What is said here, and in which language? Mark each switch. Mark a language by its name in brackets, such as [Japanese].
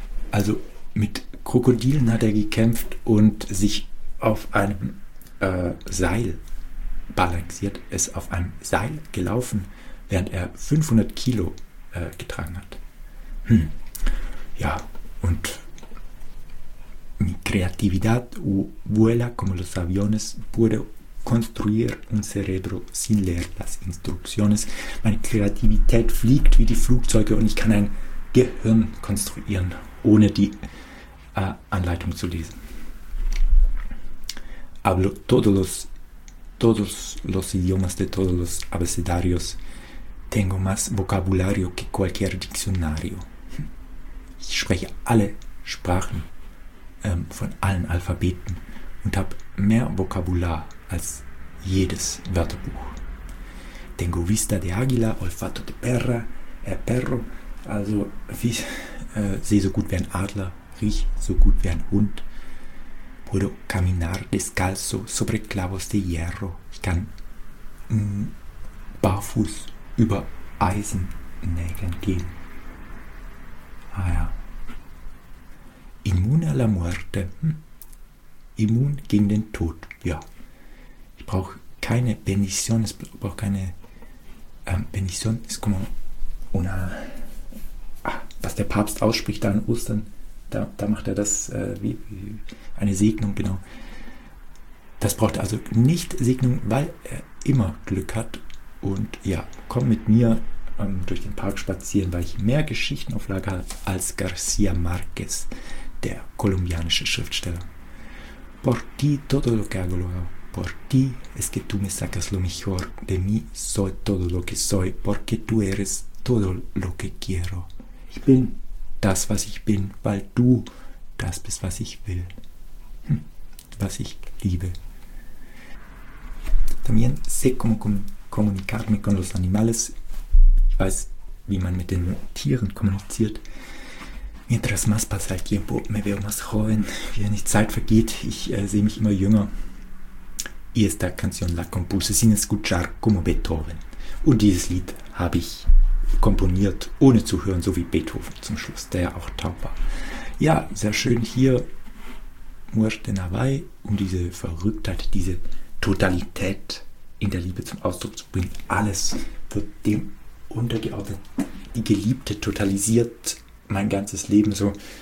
[German] Also mit Krokodilen hat er gekämpft und sich auf einem Seil balanciert, ist auf einem Seil gelaufen, während er 500 Kilo getragen hat. Ja, und [Spanish] mi creatividad vuela como los aviones, puedo construir un cerebro sin leer las instrucciones. [German] Meine Kreativität fliegt wie die Flugzeuge und ich kann ein Gehirn konstruieren, ohne die Anleitung zu lesen. [Spanish] Hablo todos los idiomas de todos los abecedarios. Tengo más vocabulario que cualquier diccionario. [German] Ich spreche alle Sprachen von allen Alphabeten und habe mehr Vokabular als jedes Wörterbuch. [Spanish] Tengo vista de águila, olfato de perra, perro. [German] Also, ich sehe so gut wie ein Adler, riech so gut wie ein Hund. [Spanish] Puedo caminar descalzo sobre clavos de hierro. [German] Ich kann barfuß über Eisennägeln gehen. Ah ja. [Spanish] Immune a la muerte. [German] Immun gegen den Tod. Ja. Ich brauche keine Bendición. Ich brauche keine Bendición. Es ist [Spanish] como una... [German] Was der Papst ausspricht da an Ostern, da macht er das wie eine Segnung, genau. Das braucht er also nicht Segnung, weil er immer Glück hat Und ja, komm mit mir durch den Park spazieren, weil ich mehr Geschichten auf Lager habe als García Márquez, der kolumbianische Schriftsteller. [Spanish] Por ti todo lo que hago lo hago. Por ti es que tú me sacas lo mejor. De mí soy todo lo que soy. Porque tú eres todo lo que quiero. [German] Ich bin das, was ich bin, weil du das bist, was ich will. Was ich liebe. [Spanish] También sé cómo comunicarme con los animales. [German] Ich weiß, wie man mit den Tieren kommuniziert. [Spanish] Mientras más pasa el tiempo, me veo más joven. [German] Wie die Zeit vergeht, ich sehe mich immer jünger. [Spanish] Y esta canción la compuse sin escuchar como Beethoven. [German] Und dieses Lied habe ich komponiert, ohne zu hören, so wie Beethoven zum Schluss, der auch taub war. Ja, sehr schön hier, Muerte en Hawaii, um diese Verrücktheit, diese Totalität in der Liebe zum Ausdruck zu bringen. Alles wird dem untergeordnet. Die Geliebte totalisiert mein ganzes Leben so.